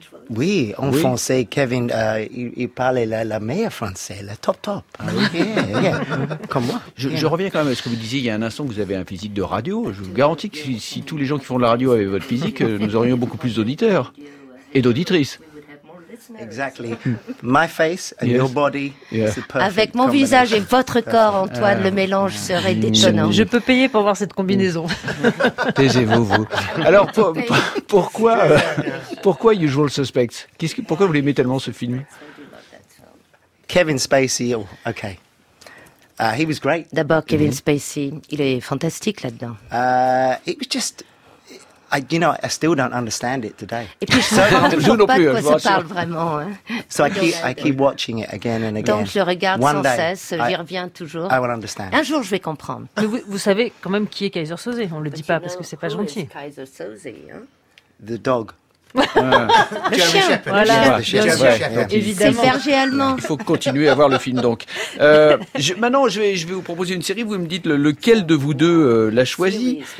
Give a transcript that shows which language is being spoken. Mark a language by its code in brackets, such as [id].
[fr] Oui, en français, Kevin, il parlait la meilleure français, la top top. Ah, oui. [en] Yeah, yeah. [fr] Comme moi. Je reviens quand même à ce que vous disiez il y a un instant, vous avez un physique de radio. Je vous garantis que si tous les gens qui font de la radio avaient votre physique, nous aurions beaucoup plus d'auditeurs et d'auditrices. [en] Exactly. My face and your body is the perfect. [fr] Avec mon visage et votre corps, Antoine, le mélange serait étonnant. Je peux payer pour voir cette combinaison. Taisez-vous, vous. Alors, pourquoi Usual Suspects? Pourquoi vous l'aimez tellement, ce film? [en] Kevin Spacey, oh, ok. He was great. [fr] D'abord, Kevin Spacey, il est fantastique là-dedans. [en] It was just... you know, I still don't understand it today. [fr] Et puis je ne comprends pas de quoi ça parle vraiment. Hein. [en] So I keep watching it again and again. [fr] Donc je regarde sans cesse, j'y reviens toujours. [en] I will understand. [fr] Un jour je vais comprendre. Mais vous savez quand même qui est Kaiser Soze, on ne le dit pas parce que ce n'est pas gentil. Kaiser Soze, hein? [en] The dog. [fr] Le chien, voilà. Évidemment. C'est le berger allemand. Il faut continuer à voir le film donc. Maintenant, je vais vous proposer une série. Vous me dites lequel de vous deux l'a choisi.